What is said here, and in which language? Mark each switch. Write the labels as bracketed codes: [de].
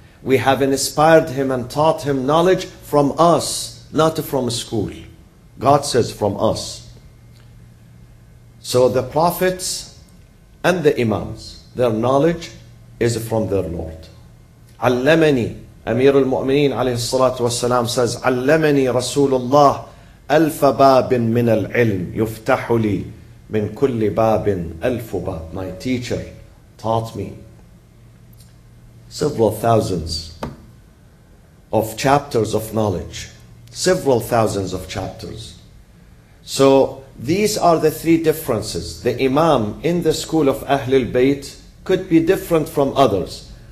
[en] We have inspired him and taught him knowledge from us, not from school. God says from us. So the prophets and the imams, their knowledge is from their Lord. [ar] عَلَّمَنِي. Amir al-Mu'mineen alayhi salatu wasalam says, عَلَّمَنِي رَسُولُ اللَّهِ ألف باب من العلم يفتح لي من كل باب ألف باب. [en] My teacher taught me several thousands of chapters of knowledge. Several thousands of chapters. So these are the three differences. The Imam in the school of Ahlul Bayt could be different from others.